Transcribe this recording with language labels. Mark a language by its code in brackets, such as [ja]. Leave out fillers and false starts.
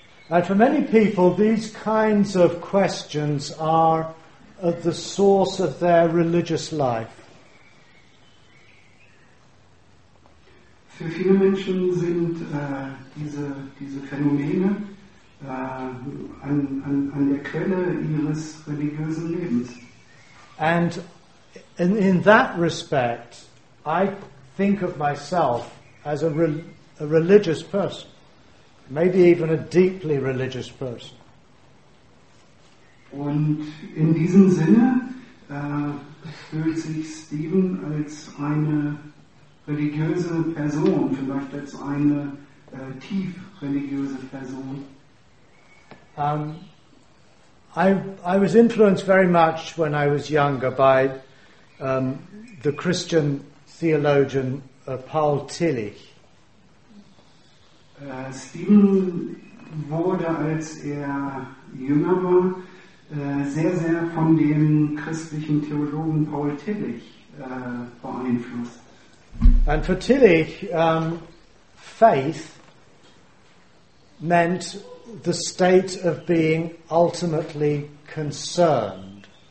[en] And for many people, these kinds of questions are at the source of their religious life. [de] Für viele Menschen sind diese Phänomene an der Quelle ihres religiösen Lebens. [en] And in that respect, I think of myself as a religious person, maybe even a deeply religious person. [de] Und in diesem Sinne fühlt sich Stephen als eine religiöse Person, vielleicht als eine tief religiöse Person. [en] I was influenced very much when I was younger by the Christian theologian Paul Tillich. [de] Stephen wurde, als er jünger war, sehr, sehr von dem christlichen Theologen Paul Tillich beeinflusst. [en] And for Tillich, faith meant the state of being ultimately concerned.